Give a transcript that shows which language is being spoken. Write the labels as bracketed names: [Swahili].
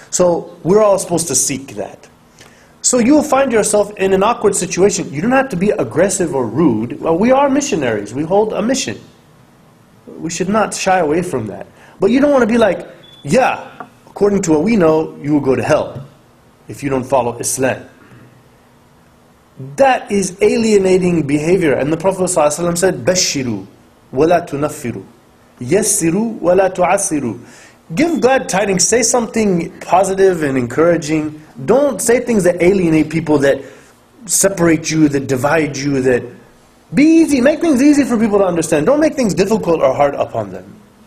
[English] So we're all supposed to seek that. So you'll find yourself in an awkward situation. You don't have to be aggressive or rude. Well, we are missionaries. We hold a mission. We should not shy away from that. But you don't want to be like, yeah, according to what we know, you will go to hell if you don't follow Islam. That is alienating behavior. And the Prophet ﷺ said, [Arabic] بَشِّرُوا وَلَا تُنَفِّرُوا يَسِّرُوا وَلَا تُعَسِّرُوا. [English] Give glad tidings. Say something positive and encouraging. Don't say things that alienate people, that separate you, that divide you, that... Be easy. Make things easy for people to understand. Don't make things difficult or hard upon them.